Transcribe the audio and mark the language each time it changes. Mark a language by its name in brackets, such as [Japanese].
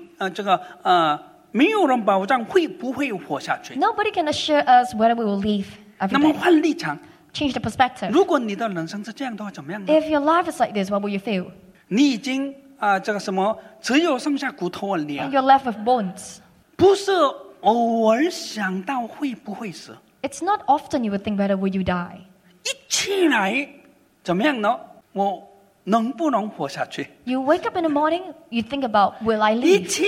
[Chinese] 真的一天一天没有人保障会 没有人保障会不会活下去。 [English] Nobody can assure us whether we will live every day. [Chinese] 那么换立场, [English] change the perspective. [Chinese] 如果你的人生是这样的话，怎么样呢？ [English] If your life is like this, what will you feel? [Chinese] 你已经只有剩下骨头了。 [English] You're left with bones. [Chinese] 不是偶尔想到会不会死。 [English] It's not often you would think whether will you die. [Chinese] 一起来怎么样呢？我能不能活下去？ [English] You wake up in the morning, you think about, will I leave?